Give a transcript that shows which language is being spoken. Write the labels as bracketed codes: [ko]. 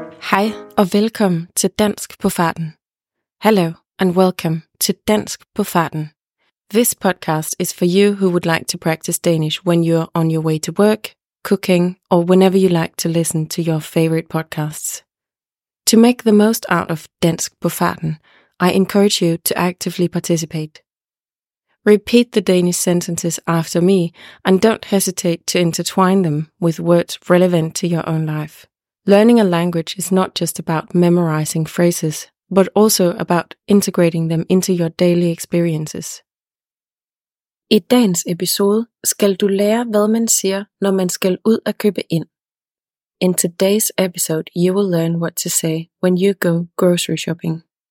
[da] Hej og velkommen til Dansk på Farten. [en] Hello and welcome to Dansk på Farten. This podcast is for you who would like to practice Danish when you're on your way to work, cooking, or whenever you like to listen to your favorite podcasts. To make the most out of Dansk på Farten, I encourage you to actively participate. Repeat the Danish sentences after me and don't hesitate to intertwine them with words relevant to your own life. Learning a language is not just about memorizing phrases, but also about integrating them into your daily experiences. [da] I dagens episode skal du lære, hvad man siger, når man skal ud og købe ind. [en] In today's episode, you will learn what to say when you go grocery shopping.